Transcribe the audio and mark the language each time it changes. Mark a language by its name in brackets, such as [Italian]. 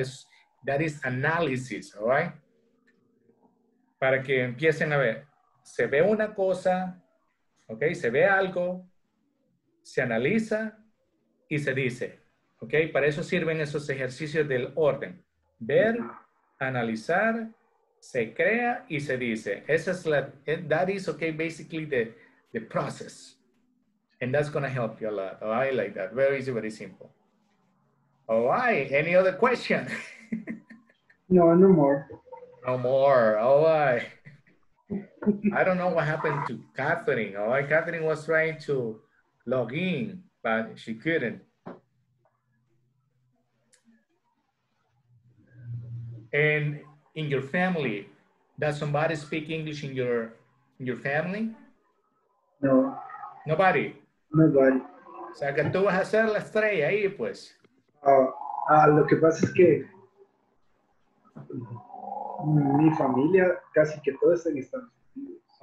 [Spanish] Eso, [English] that is analysis, all right? [Spanish] Para que empiecen a ver, se ve una cosa, ok, se ve algo, se analiza y se dice, ok, para eso sirven esos ejercicios del orden. Ver, analizar, se crea y se dice. Esa es la, [English] that is, ok, basically the process, and that's going to help you a lot. Oh, I like that. Very easy, very simple. All right. Any other question? No, no more. No more. Oh, I don't know what happened to Catherine. All right, Catherine was trying to log in, but she couldn't. And in your family, does somebody speak English in your family? No. Nobody? Nobody. [Spanish] O sea, que tú vas a ser la estrella ahí, pues. Lo que pasa es que mi familia casi que todos están en Estados Unidos.